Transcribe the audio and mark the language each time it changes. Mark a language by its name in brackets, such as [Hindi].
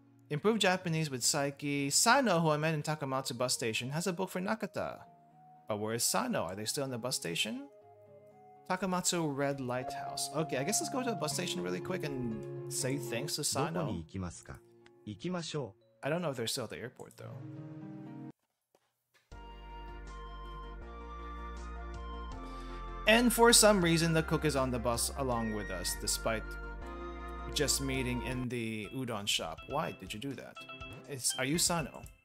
[English] Improved Japanese with Saiki. Sano, who I met in Takamatsu bus station, has a book for Nakata. But where is Sano? Are they still in the bus station? Takamatsu Red Lighthouse. Okay, I guess let's go to the bus station really quick and say thanks to Sano. [Japanese] どこに行きますか?行きましょう. [English] I don't know if they're still at the airport though. And for some reason, the cook is on the bus along with us, despite just meeting in the udon shop. Why did you do that? Are you Sano?